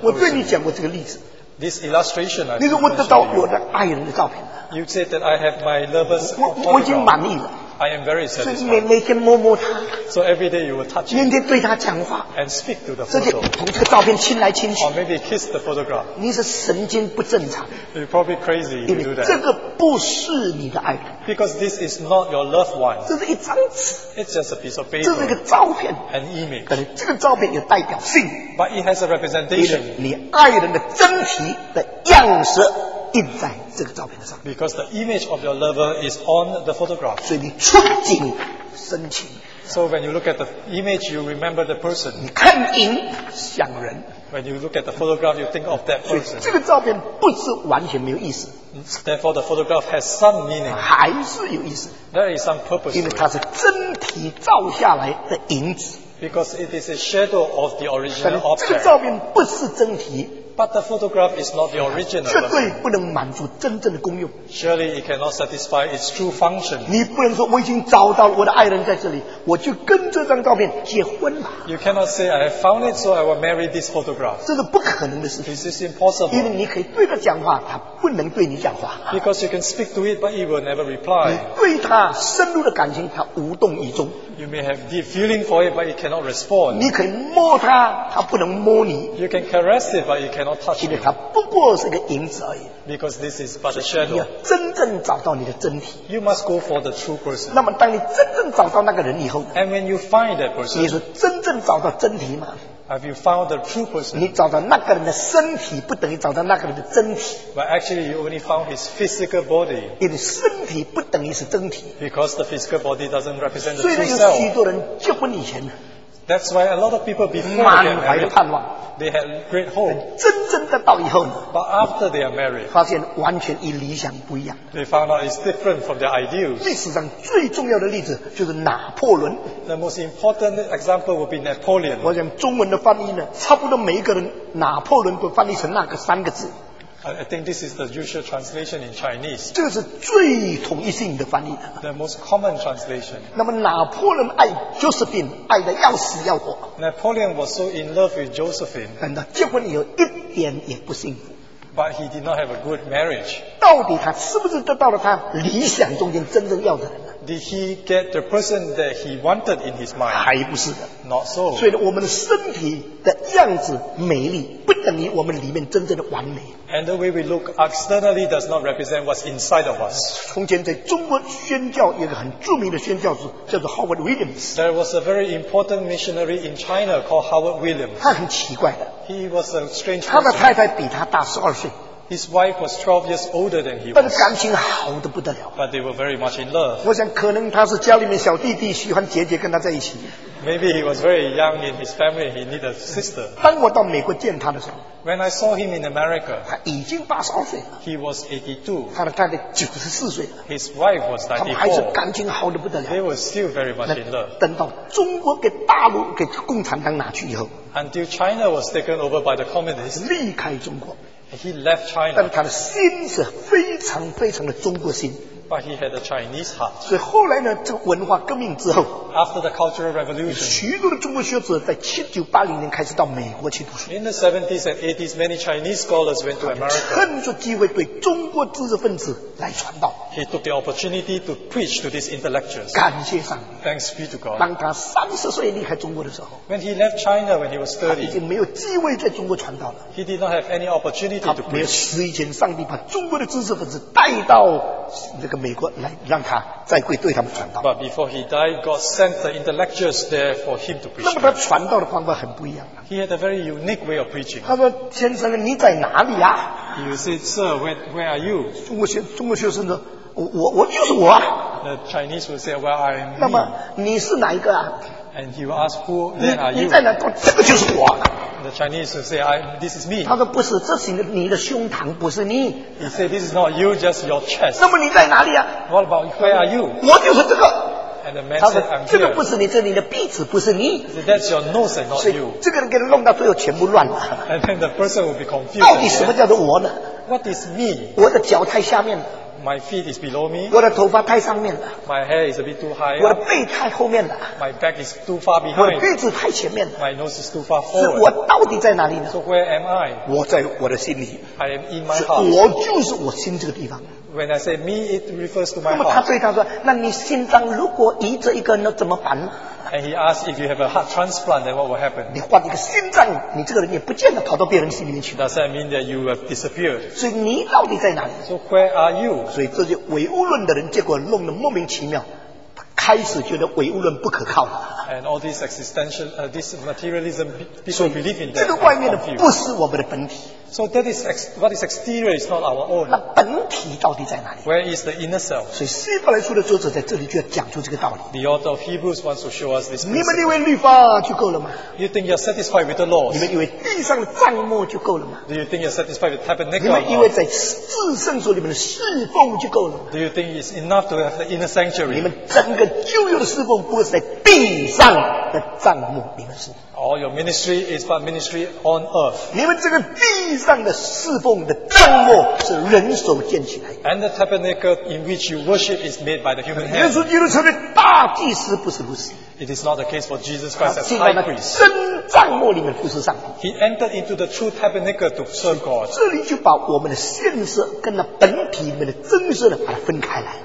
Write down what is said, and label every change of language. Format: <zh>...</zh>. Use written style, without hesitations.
<zh>我对你讲过这个例子。</zh> <en>This illustration,</en> <zh>你说我得到我的爱人的照片了。</zh> <en>You said that I have my lover's photograph.</en> <zh>我已经满意了。</zh> <en>I am very satisfied.</en> <zh>所以每天摸摸他。</zh> <en>So every day you will touch him.</en> <zh>天天对他讲话。</zh> <en>And speak to the photo.</en> <zh>这就这个照片亲来亲去。</zh> <en>Or maybe kiss the photograph.</en> <zh>你是神经不正常。</zh> <en>You're probably crazy if you do that.</en> <zh>这个不是你的爱人。</zh> <en>Because this is not your loved one.</en> <zh>这是一张纸。</zh> <en>It's just a piece of paper.</en> <zh>这是一个照片。</zh> <en>An image.</en> <zh>但是这个照片有代表性。</zh> <en>But it has a representation.</en> <zh>你爱人的真体的样式印在这个照片上。</zh> <en>Because the image of your lover is on the photograph.</en> <zh>所以你触景生情。</zh> <en>So when you look at the image, you remember the person.</en> <zh>你看影想人。</zh> <en>When you look at the photograph, you think of that person.</en> <zh>所以这个照片不是完全没有意思。</zh> <en>Therefore, the photograph has some meaning.</en> <zh>还是有意思。</zh> <en>There is some purpose.</en> <zh>因为它是真体照下来的影子。</zh> <en>Because it is a shadow of the original object.</en> <zh>这个照片不是真体。</zh> <en>But the photograph is not the original.</en> <zh>绝对不能满足真正的功用。</zh> <en>Surely it cannot satisfy its true function.</en> <zh>你不能说我已经找到了我的爱人在这里，我就跟这张照片结婚吧。</zh> <en>You cannot say I found it, so I will marry this photograph.</en> <zh>这是不可能的事情。</zh> <en>This is impossible.</en> <zh>因为你可以对他讲话，他不能对你讲话。</zh> <en>Because you can speak to it, but it will never reply.</en> <zh>你对他深入的感情，他无动于衷。</zh> <en>You may have deep feeling for it, but it cannot respond.</en> <zh>你可以摸它，它不能摸你。</zh> <en>You can caress it, but it cannot touch you.</en> <zh>因为它不过是个影子而已。</zh> <en>Because this is but a shadow.</en> <zh>你要真正找到你的真体。</zh> <en>You must go for the true person.</en> <zh>那么当你真正找到那个人以后，</zh> <en>And when you find that person,</en> <zh>你是真正找到真体吗？</zh> <en>Have you found the true person?</en> <zh>你找到那个人的身体，不等于找到那个人的真体。</zh> <en>But actually, you only found his physical body.</en> <zh>因为身体不等于是真体。</zh> <en>Because the physical body doesn't represent the true self.</en> <zh>所以有许多人结婚以前。</zh> <en>That's why a lot of people before they get married,</en> <zh>盼望。</zh> <en>They had great hope.</en> <zh>真正的到以后。</zh> <en>But after they are married,</en> <zh>发现完全与理想不一样。</zh> <en>They found out it's different from their ideals.</en> <zh>历史上最重要的例子就是拿破仑。</zh> <en>The most important example would be Napoleon.</en> <zh>我想中文的翻译呢，差不多每一个人拿破仑都翻译成那个三个字。</zh> <en>I think this is the usual translation in Chinese.</en> <zh>这是最统一性的翻译。</zh> <en>The most common translation.</en> <zh>那么拿破仑爱 Josephine 爱得要死要活。</zh> <en>Napoleon was so in love with Josephine.</en> <zh>但他结婚以后一点也不幸福。</zh> <en>But he did not have a good marriage.</en> <zh>到底他是不是得到了他理想中间真正要的人？</zh> <en>Did he get the person that he wanted in his mind?</en> <zh>还不是的。</zh> <en>Not so.</en> <zh>所以我们的身体的样子美丽，不等于我们里面真正的完美。</zh> <en>And the way we look externally does not represent what's inside of us.</en> <zh>从前在中国宣教有一个很著名的宣教士叫做 Howard Williams.</zh> <en>There was a very important missionary in China called Howard Williams.</en> <zh>他很奇怪的。</zh> <en>He was a strange person.</en> <zh>他的太太比他大12岁。</zh> <en>His wife was 12 years older than he was.</en> <zh>但感情好得不得了。</zh> <en>But they were very much in love.</en> <zh>我想可能他是家里面小弟弟，喜欢姐姐跟他在一起。</zh> <en>Maybe he was very young in his family. He needed a sister.</en> <zh>当我到美国见他的时候，</zh> <en>When I saw him in America,</en> <zh>他已经82岁了。</zh> <en>He was 82.</en> <zh>他的太太94岁了。</zh> <en>His wife was 94.</en> <zh>他们还是感情好得不得了。</zh> <en>They were still very much in love.</en> <zh>等到中国给大陆给共产党拿去以后，</zh> <en>Until China was taken over by the communists,</en> <zh>离开中国。</zh> <en>He left China.</en> <zh>但他的心是非常非常的中国心。</zh> <en>But he had a Chinese heart.</en> <zh>所以后来呢，这个文化革命之后</zh> <en>，After the Cultural Revolution，</en> <zh>许多的中国学者在1980年开始到美国去读书。</zh> <en>In the 70s and 80s, many Chinese scholars went to America.</en> <zh>趁着机会对中国知识分子来传道。</zh> <en>He took the opportunity to preach to these intellectuals.</en> <zh>感谢上帝。</zh> <en>Thanks be to God.</en> <zh>当他30岁离开中国的时候</zh> <en>，When he left China when he was 30，</en> <zh>他已经没有机会在中国传道了。</zh> <en>He did not have any opportunity to preach.</en> <zh>没有时间，上帝把中国的知识分子带到那个美国来，让他再会对他们传道。</zh> <en>But before he died, God sent the intellectuals there for him to preach.</en> <zh>那么他传道的方法很不一样。</zh> <en>He had a very unique way of preaching.</en> <zh>他说：“先生，你在哪里啊？”</zh> <en>He said, "Sir, where are you?"</en> <zh>中国学生说：“我就是我。”</zh> <en>The Chinese would say, "Where I am."</en> <zh>那么你是哪一个啊？</zh> <en>And he would ask, "Who then are you?"</en> <zh>你在哪？这个就是我。</zh> <en>The Chinese would say, "This is me."</en> <zh>他说不是，这是你的胸膛，不是你。</zh> <en>He said, "This is not you, just your chest."</en> <zh>那么你在哪里啊？</zh> <en>What about where are you?</en> <zh>我就是这个。</zh> <en>And the man said, "I'm here."</en> <zh>这个不是你，这是你的鼻子，不是你。</zh> <en>He said, "That's your nose and not you."</en> <zh>这个人给他弄到最后全部乱了。</zh> <en>And then the person would be confused.</en> <zh>到底什么叫做我呢？</zh> <en>What is me?</en> <zh>我的脚太下面了。</zh> <en>My feet is below me.</en> <zh>我的头发太上面了。</zh> <en>My hair is a bit too high.</en> <zh>我的背太后面了。</zh> <en>My back is too far behind.</en> <zh>我的鼻子太前面了。</zh> <en>My nose is too far forward.</en> <zh>是我到底在哪里呢？</zh> <en>So where am I?</en> <zh>我在我的心里。</zh> <en>I am in my heart.</en> <zh>我就是我心这个地方。</zh> <en>When I say me, it refers to my heart.</en> <zh>那么他对他说，那你心脏如果移植一个，那怎么办？</zh> <en>And he asked if you have a heart transplant, then what will happen?</en> <zh>你换一个心脏，你这个人也不见得跑到别人心里面去。</zh> <en>Does that mean that you have disappeared?</en> <zh>所以你到底在哪里？</zh> <en>So where are you?</en> <zh>所以这些唯物论的人，结果弄得莫名其妙，开始觉得唯物论不可靠了。</zh> <en>And all this existential, this materialism, people believe in that.</en> <zh>这个外面的不是我们的本体。</zh> <en>So that is what is exterior is not our own.</en> <zh>那本体到底在哪里</zh> <en>？Where is the inner self?</en> <zh>所以希伯来书的作者在这里就要讲出这个道理。</zh> <en>The author of Hebrews wants to show us this.</en> <zh>你们认为律法就够了吗</zh> <en>？You think you're satisfied with the laws?</en> <zh>你们以为地上的帐幕就够了吗</zh> <en>？Do you think you're satisfied with tabernacle?</en> <zh>你们以为在至圣所里面的侍奉就够了吗</zh> <en>？Do you think it's enough to have the inner sanctuary?</en> <zh>你们整个旧约的侍奉不是在地上的帐幕，你们是。</zh> <en>All your ministry is but ministry on earth.</en> <zh>你们这个地上的侍奉的帐幕是人手建起来的。</zh> <en>And the tabernacle in which you worship is made by the human hand.</en> <zh>耶稣基督成为大祭司不是如此。</zh> <en>It is not the case for Jesus Christ as high priest.</en> <zh>真帐幕里面服侍上帝。</zh> <en>He entered into the true tabernacle to serve God.</en> <zh>这里就把我们的现实跟那本体里面的真实呢把它分开来。</zh>